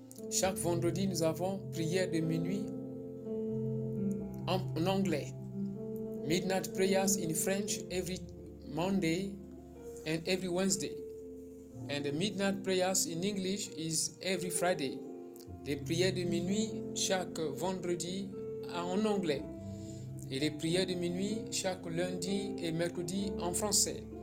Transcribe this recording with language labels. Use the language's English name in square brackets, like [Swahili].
[French] Chaque vendredi, nous avons prière de minuit en anglais. [English] Midnight prayers in French every Monday and every Wednesday. And the midnight prayers in English is every Friday. [French] Les prières de minuit chaque vendredi en anglais. Et les prières de minuit chaque lundi et mercredi en français.